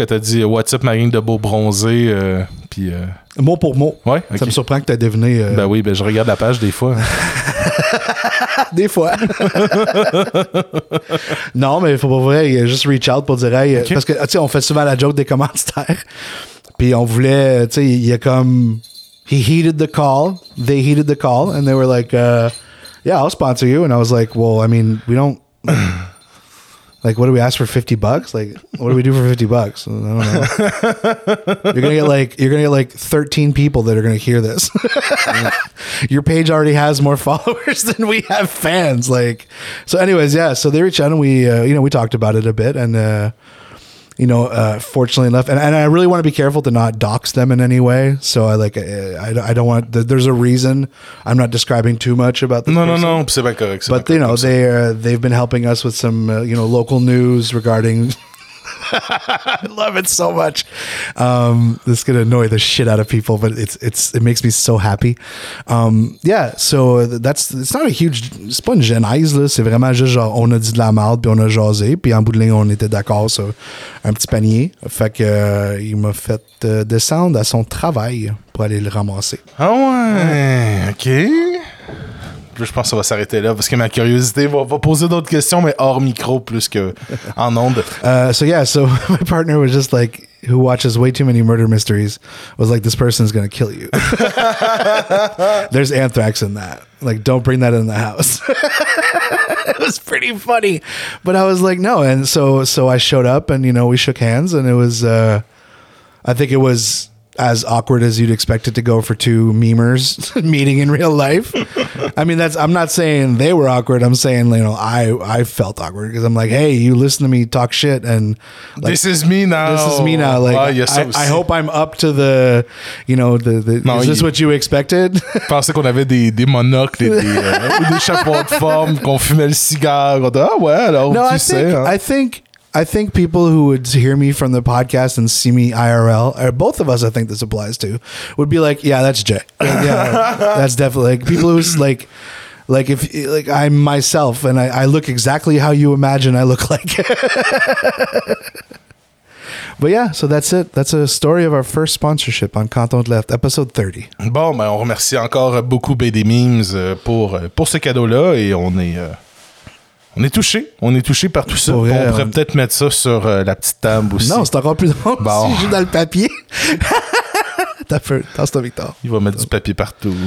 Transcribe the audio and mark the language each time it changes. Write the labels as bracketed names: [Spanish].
[French] Elle t'a dit « [English] What's up, [French] ma gang de beau bronzé? » Puis mot pour mot. Ouais, okay. Ça me surprend que t'aies deviné... Ben oui, ben je regarde la page des fois. Des fois. Non, mais il faut pas vrai, il y a juste [English] reach out [French] pour dire [English] hey, okay. [French] Parce que tu sais, on fait souvent la joke des commanditaires. Puis on voulait, tu sais, il y a comme [English] they heeded the call and they were like yeah, I'll sponsor you and I was like, "Well, I mean, we don't like what do we ask for $50? Like what do we do for $50? I don't know." You're going to get like 13 people that are going to hear this. Your page already has more followers than we have fans. Like, so anyways, yeah. So they reached out and we talked about it a bit and, fortunately enough, and I really want to be careful to not dox them in any way. So I don't want, there's a reason I'm not describing too much about this. No, [French] c'est pas correct. [English] But, you know, they've been helping us with some, local news regarding I love it so much. This is going to annoy the shit out of people, but it makes me so happy. Yeah, so it's not a huge... [French] C'est pas une genèse, là. C'est vraiment juste genre, on a dit de la merde, puis on a jasé, puis en bout de ligne, on était d'accord sur un petit panier. Fait que il m'a fait descendre à son travail pour aller le ramasser. Ah ouais, OK. Je pense que ça va s'arrêter là parce que ma curiosité va poser d'autres questions, mais hors micro plus qu'en onde. [English] So my partner was just like, who watches way too many murder mysteries, was like, this person's gonna kill you. There's anthrax in that. Like, don't bring that in the house. It was pretty funny. But I was like, no. And so I showed up and, you know, we shook hands and it was, I think it was as awkward as you'd expect it to go for two memers meeting in real life. I mean, I'm not saying they were awkward. I'm saying, you know, I felt awkward because I'm like, hey, you listen to me talk shit. And like, This is me now. Like, I hope I'm up to the, you know, is this what you expected? [French] Je pensais qu'on avait des monocles, des chapeaux de forme, qu'on fumait le cigare. Ah ouais, alors, no, tu sais. [English] I think people who would hear me from the podcast and see me IRL, or both of us, I think this applies to, would be like, yeah, that's Jay. Yeah, that's definitely like people who's like if like I'm myself and I look exactly how you imagine I look like. But yeah, so that's it. That's a story of our first sponsorship on Canton de l'Est, episode 30. [French] Bon, ben, on remercie encore beaucoup BD Memes pour ce cadeau-là et on est. On est touché par tout ça. Vrai, on pourrait peut-être mettre ça sur la petite table aussi. Non, c'est encore plus drôle bon. Si je joue dans le papier. T'as peur. T'as ton Victor. Il va mettre du papier partout.